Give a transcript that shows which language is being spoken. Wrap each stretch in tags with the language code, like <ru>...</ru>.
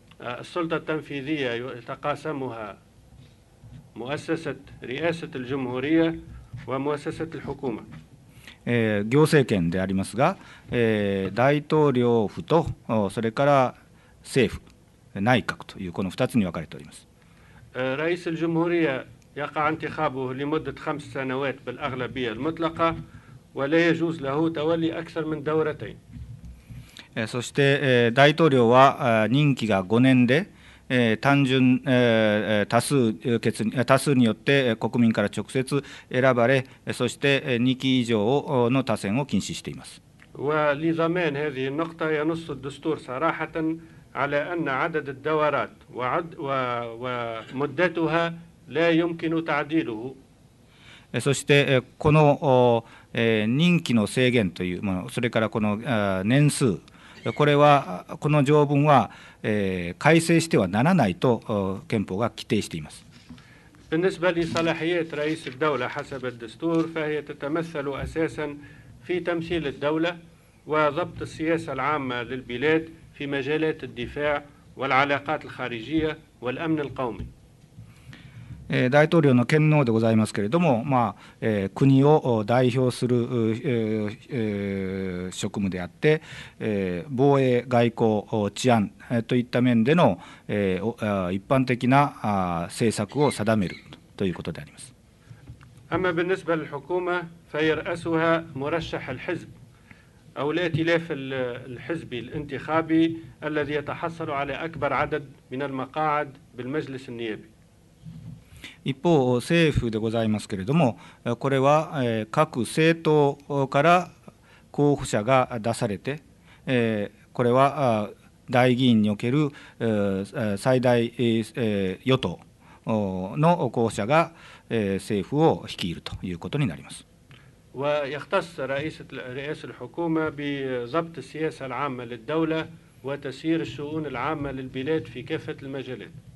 <ja>行政権でありますが、大統領府とそれから政府、内閣というこの2つに分かれております。</ja> <ar>رئيس الجمهورية يقع انتخابه لمدة 5 سنوات بالأغلبية المطلقة ولا يجوز له تولي أكثر من دورتين。</ar> <ja>そして大統領は任期が5年で、単純多数決多数によって国民から直接選ばれ、そして2期以上の多選を禁止しています。</ja> <ar>ولضمان هذه النقطة ينص الدستور صراحة على أن عدد الدورات ومدتها لا يمكن تعديله。</ar> <ja>そしてこの任期の制限というもの、それからこの年数、これはこの条文は改正してはならないと憲法が規定しています。</ja> <ar>بالنسبة لصلاحيات رئيس الدولة حسب الدستور فهي تتمثل أساسا في تمثيل الدولة وضبط السياسة العامة للبلاد في مجالات الدفاع والعلاقات الخارجية والأمن القومي。</ar> <ja>大統領の権能でございますけれども、まあ、国を代表する職務であって、防衛、外交、治安といった面での一般的な政策を定めるということであります。</ja> <ar>أما بالنسبة للحكومة فيرأسها مرشح الحزب أو الائتلاف الحزبي الانتخابي الذي يتحصل على أكبر عدد من المقاعد بالمجلس النيابي。</ar> <ja>一方、政府でございますけれども、これは各政党から候補者が出されて、これは大議員における最大与党の候補者が政府を率いるということになります。</ja> <ar>ويختص رئيس الحكومة بضبط السياسة العامة للدولة وتسيير الشؤون العامة للبلاد في كافة المجالات.</ar>